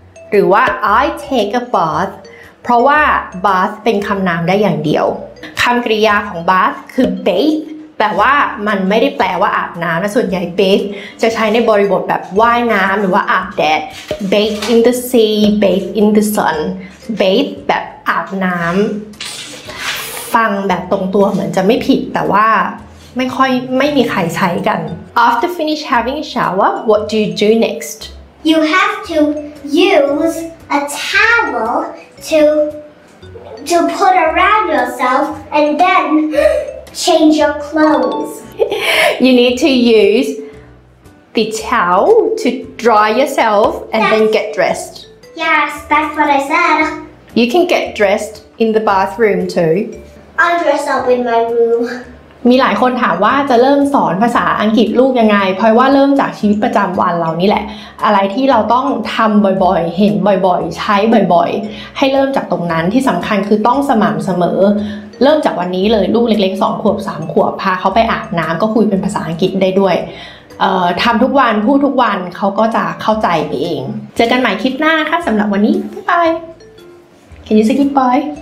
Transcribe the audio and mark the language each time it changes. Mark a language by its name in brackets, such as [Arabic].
[Thai] หรือว่า [English] I take a bath, [Thai] เพราะว่า bath เป็นคำนามได้อย่างเดียวคำกริยาของ bath คือ bathe,แต่ว่ามันไม่ได้แปลว่าอาบน้ำนะส่วนใหญ่ bathe จะใช้ในบริบทแบบว่ายน้ำหรือว่าอาบแดด [English] bathe in the sea bathe in the sun [Thai] bathe แบบอาบน้ำฟังแบบตรงตัวเหมือนจะไม่ผิดแต่ว่าไม่ค่อยไม่มีใครใช้กัน [English] after finish having a shower what do you do next you have to use a towel to put around yourself and then change your clothes. You need to use the towel to dry yourself and then get dressed. Yes, that's what I said. You can get dressed in the bathroom too. I'll dress up in my room. [Thai] มีหลายคนถามว่าจะเริ่มสอนภาษาอังกฤษลูกยังไงพลอยว่าเริ่มจากชีวิตประจำวันเรานี่แหละอะไรที่เราต้องทำบ่อยๆเห็นบ่อยๆใช้บ่อยๆให้เริ่มจากตรงนั้นที่สำคัญคือต้องสม่ำเสมอเริ่มจากวันนี้เลยลูกเล็กๆ2ขวบ3ขวบพาเขาไปอาบน้ำก็คุยเป็นภาษาอังกฤษได้ด้วยทำทุกวันพูดทุกวันเขาก็จะเข้าใจไปเองเจอกันใหม่คลิปหน้าค่ะสำหรับวันนี้บ๊ายบาย [English] Can you say goodbye